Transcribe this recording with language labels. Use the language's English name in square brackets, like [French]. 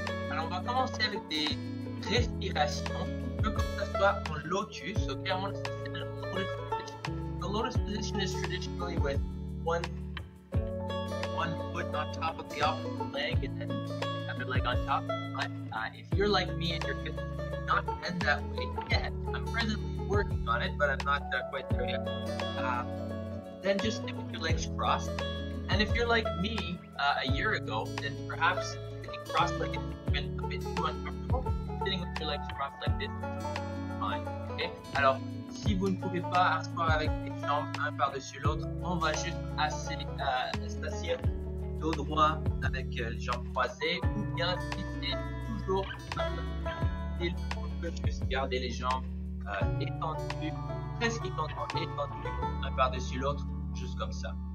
[French] Alors on va commencer avec des respirations, un peu comme ça soit en lotus, ok, on va se faire en lotus position. [English] The lotus position is traditionally with one foot on top of the opposite leg and then the other leg on top. But if you're like me and your fitness does not end that way yet, I'm presently working on it, but I'm not quite there yet, then just sit with your legs crossed. And if you're like me a year ago, then perhaps cross-legged has been a bit too uncomfortable. Sitting with your legs cross-legged is fine, okay? [French] Alors, si vous ne pouvez pas asseoir avec les jambes un par-dessus l'autre, on va juste s'asseoir dos droit avec les jambes croisées, ou bien si c'est toujours un peu plus difficile, on peut juste garder les jambes étendues, presque étendues, un par-dessus l'autre, juste comme ça.